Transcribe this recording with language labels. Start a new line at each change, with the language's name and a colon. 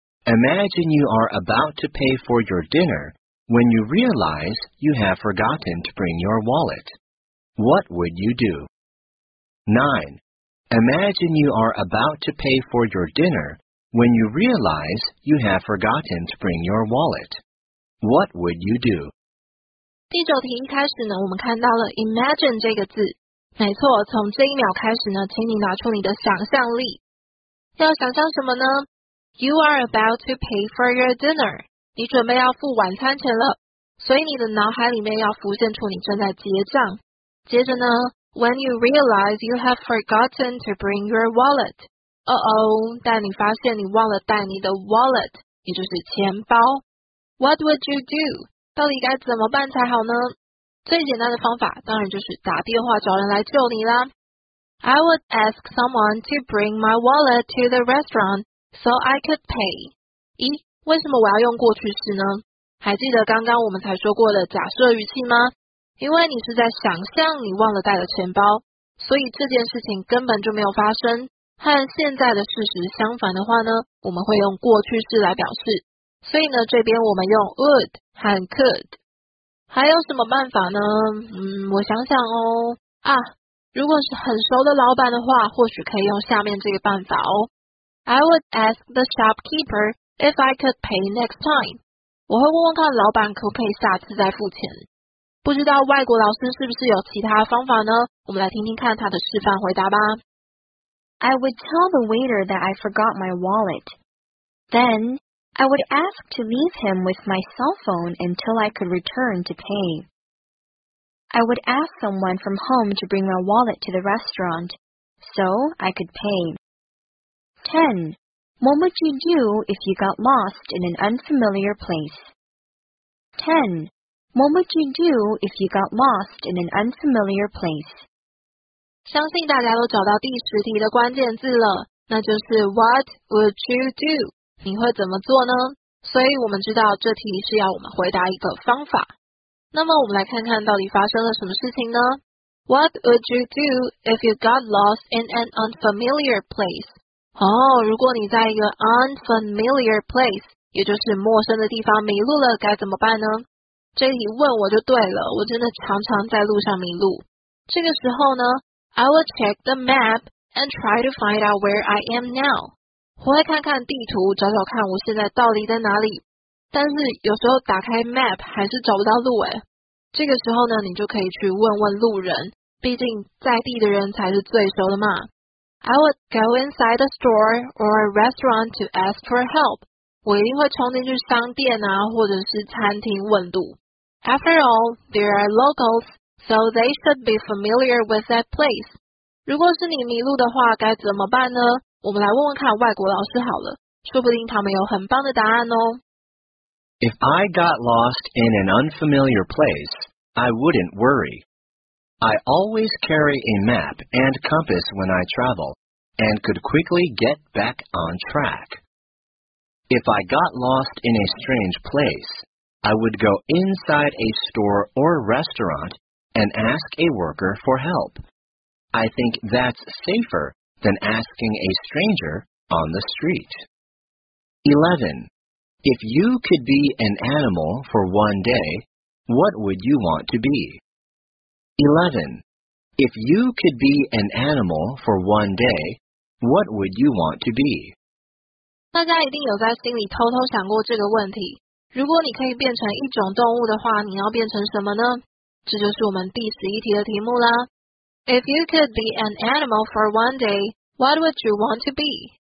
English: Imagine you are about to pay for your dinner when you realize you have forgotten to bring your wallet. What would you do? 9. Imagine you are about to pay for your dinnerWhen you realize you have forgotten to bring your wallet, what would you do?
Chinese: 第九题一开始呢，我们看到了 imagine 这个字。没错，从这一秒开始呢，请你拿出你的想象力。要想象什么呢？
English: You are about to pay for your dinner.
Chinese: 你准备要付晚餐钱了。所以你的脑海里面要浮现出你正在结账。接着呢，
English: When you realize you have forgotten to bring your wallet.
Chinese: 但你发现你忘了带你的 wallet， 也就是钱包。
English: What would you do？
Chinese: 到底该怎么办才好呢？最简单的方法当然就是打电话找人来救你啦。
English: I would ask someone to bring my wallet to the restaurant so I could pay。
Chinese: 咦，为什么我要用过去式呢？还记得刚刚我们才说过的假设语气吗？因为你是在想象你忘了带了钱包，所以这件事情根本就没有发生。和现在的事实相反的话呢，我们会用过去式来表示。所以呢，这边我们用 would 和 could。还有什么办法呢？我想想哦。啊，如果是很熟的老板的话，或许可以用下面这个办法哦。
English: I would ask the shopkeeper if I could pay next time。
Chinese: 我会问问看老板可不可以下次再付钱。不知道外国老师是不是有其他方法呢？我们来听听看他的示范回答吧。
English: I would tell the waiter that I forgot my wallet. Then, I would ask to leave him with my cell phone until I could return to pay. I would ask someone from home to bring my wallet to the restaurant, so I could pay. 10. What would you do if you got lost in an unfamiliar place? 10. What would you do if you got lost in an unfamiliar place?
Chinese: 相信大家都找到第十题的关键字了，那就是
English: What would you do?
Chinese: 你会怎么做呢？所以我们知道这题是要我们回答一个方法。那么我们来看看到底发生了什么事情呢？
English: What would you do if you got lost in an unfamiliar place?
Chinese: 哦，如果你在一个 unfamiliar place, 也就是陌生的地方迷路了，该怎么办呢？这题问我就对了，我真的常常在路上迷路。这个时候呢，
English: I will check the map and try to find out where I am now.
Chinese: 我会看看地图，找找看我现在到底在哪里。但是有时候打开 map 还是找不到路诶。这个时候呢，你就可以去问问路人，毕竟在地的人才是最熟的嘛。
English: I would go inside a store or a restaurant to ask for help.
Chinese: 我一定会冲进去商店啊，或者是餐厅问路。
English: After all, there are locals, so they should be familiar with that place.
Chinese: 如果是你迷路的话，该怎么办呢？我们来问问看外国老师好了，说不定他们有很棒的答案哦。
English: If I got lost in an unfamiliar place, I wouldn't worry. I always carry a map and compass when I travel, and could quickly get back on track. If I got lost in a strange place, I would go inside a store or restaurant and ask a worker for help. I think that's safer than asking a stranger on the street. 11. If you could be an animal for one day, what would you want to be? 11. If you could be an animal for one day, what would you want to be?
Chinese: 大家一定有在心里偷偷想过这个问题。如果你可以变成一种动物的话，你要变成什么呢？这就是我们第十一题的题目啦。
English: If you could be an animal for one day, what would you want to be?